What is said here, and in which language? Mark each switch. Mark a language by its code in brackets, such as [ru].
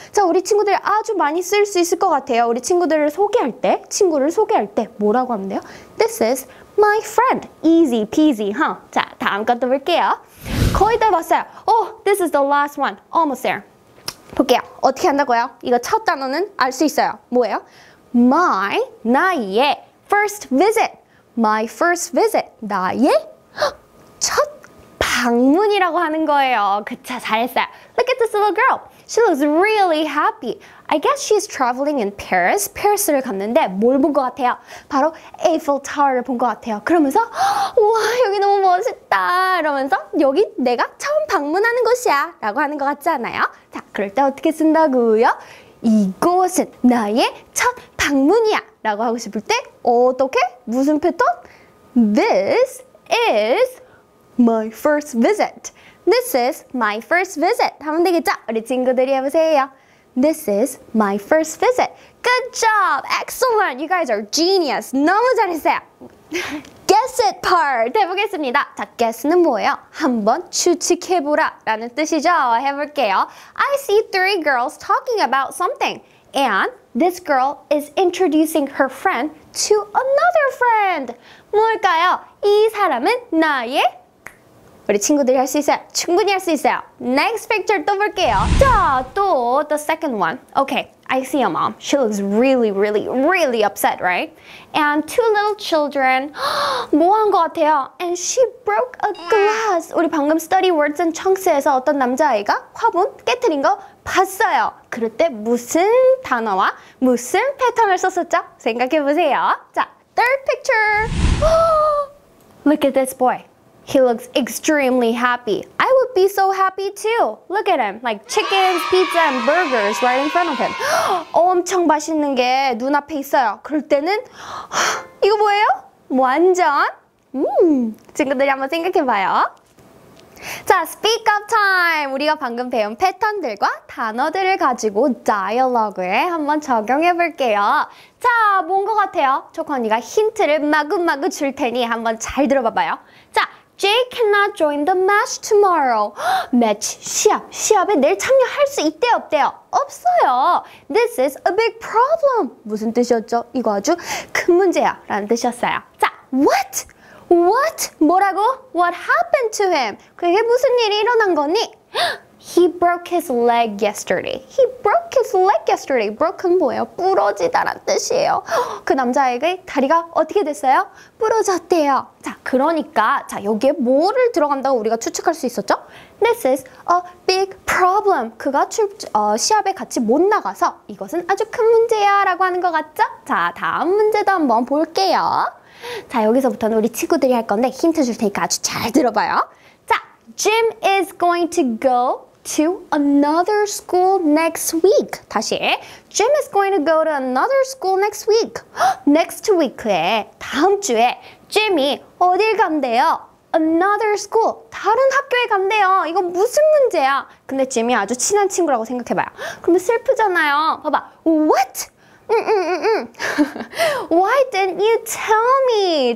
[ko] 자, 우리 친구들이 아주 많이 쓸 수 있을 것 같아요. 우리 친구들을 소개할 때, 친구를 소개할 때 뭐라고 하면 돼요? [en] This is my friend. Easy peasy, huh? [ko] 자, 다음 것도 볼게요. 거의 다 봤어요. [en] Oh, this is the last one. Almost there. [ko] 볼게요. 어떻게 한다고요? 이거 첫 단어는 알 수 있어요. 뭐예요? [en] My, 나의 first visit. My first visit. [ko] 나의 첫 방문이라고 하는 거예요. 그쵸, 잘했어요. [en] Look at this little girl. She looks really happy. I guess she's traveling in Paris. [ko] Paris를 갔는데 뭘 본 것 같아요? 바로 Eiffel Tower를 본 것 같아요. 그러면서 와, 여기 너무 멋있다. 이러면서 여기 내가 처음 방문하는 곳이야 라고 하는 것 같지 않아요? 자, 그럴 때 어떻게 쓴다고요? 이곳은 나의 첫 방문이야 라고 하고 싶을 때 어떻게? 무슨 패턴? [en] This is my first visit. This is my first visit. [ko] 하면 되겠죠? 우리 친구들이 해보세요. [en] This is my first visit. Good job! Excellent! You guys are genius! [ko] 너무 잘했어요! [en] Guess it part! [ko] 해보겠습니다. 자, guess는 뭐예요? 한번 추측해보라 라는 뜻이죠? 해볼게요. [en] I see three girls talking about something. And this girl is introducing her friend to another friend. [ko] 뭘까요? 이 사람은 나의 우리 친구들이 할 수 있어요. 충분히 할 수 있어요. [en] Next picture [ko] 또 볼게요. [en] 자, 또 the second one. Okay, I see a mom. She looks really, really, really upset, right? And two little children. [ko] 뭐한 것 같아요? [en] And she broke a glass. [ko] 우리 방금 study words and chunks에서 어떤 남자아이가 화분 깨트린 거 봤어요. 그럴 때 무슨 단어와 무슨 패턴을 썼었죠? 생각해보세요. [en] 자, third picture. Look at this boy. He looks extremely happy. I would be so happy too. Look at him. Like chickens, pizza, and burgers right in front of him. [ko] 엄청 맛있는 게 눈앞에 있어요. 그럴 때는 이거 뭐예요? 완전? 친구들이 한번 생각해 봐요. [en] 자, speak up time. [ko] 우리가 방금 배운 패턴들과 단어들을 가지고 dialogue에 한번 적용해 볼게요. 자, 뭔 것 같아요? 초코 언니가 힌트를 마구마구 줄 테니 한번 잘 들어봐 봐요. [en] 자, Jay cannot join the match tomorrow. [ko] Match, 시합. 시합에 내일 참여할 수 있대요, 없대요? 없어요. [en] This is a big problem. [ko] 무슨 뜻이었죠? 이거 아주 큰 문제야 라는 뜻이었어요. [en] 자, what? What? [ko] 뭐라고? [en] What happened to him? [ko] 그게 무슨 일이 일어난 거니? [en] He broke his leg yesterday. He broke his leg yesterday. [ko] Broken 뭐예요? 부러지다란 뜻이에요. 그 남자에게 다리가 어떻게 됐어요? 부러졌대요. 자, 그러니까 자 여기에 뭐를 들어간다고 우리가 추측할 수 있었죠? [en] This is a big problem. [ko] 그가 시합에 같이 못 나가서 이것은 아주 큰 문제야 라고 하는 것 같죠? 자, 다음 문제도 한번 볼게요. 자, 여기서부터는 우리 친구들이 할 건데 힌트 줄 테니까 아주 잘 들어봐요. [en] Jim is going to go to another school next week. [ko] 다시. [en] Jim is going to go to another school next week. [ko] Next week에, 다음 주에 Jim이 어딜 간대요? [en] Another school. [ko] 다른 학교에 간대요. 이거 무슨 문제야? 근데 Jim이 아주 친한 친구라고 생각해봐요. 그러면 슬프잖아요. 봐봐. [en] What? Why didn't you tell me?